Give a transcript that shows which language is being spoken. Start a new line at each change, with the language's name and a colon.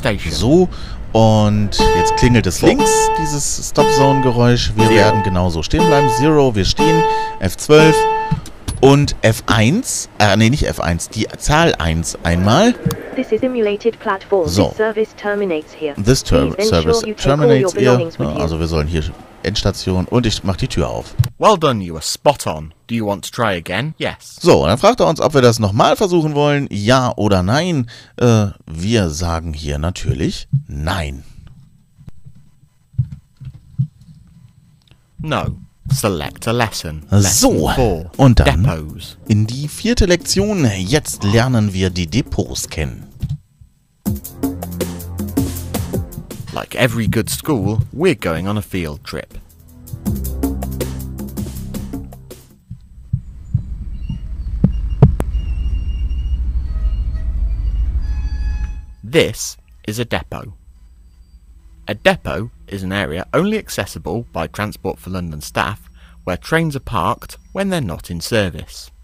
German: So. Und jetzt klingelt es links, dieses Stop-Zone-Geräusch. Wir werden genauso stehen bleiben. Zero, wir stehen. F12. Und F1, nee, nicht F1, die Zahl 1 einmal.
English: This is emulated platform. So. This service terminates here. This service terminates here.
German: Ja, also wir sollen hier Endstation und ich mach die Tür auf.
English: Well done, you are spot on. Do you want to try again? Yes.
German: So, dann fragt er uns, ob wir das nochmal versuchen wollen, ja oder nein. Wir sagen hier natürlich nein.
English: No. Select a lesson.
German: So, und dann Depots. In die vierte Lektion. Jetzt lernen wir die Depots kennen.
English: Like every good school, we're going on a field trip. This is a depot. A depot is an area only accessible by Transport for London staff where trains are parked when they're not in service.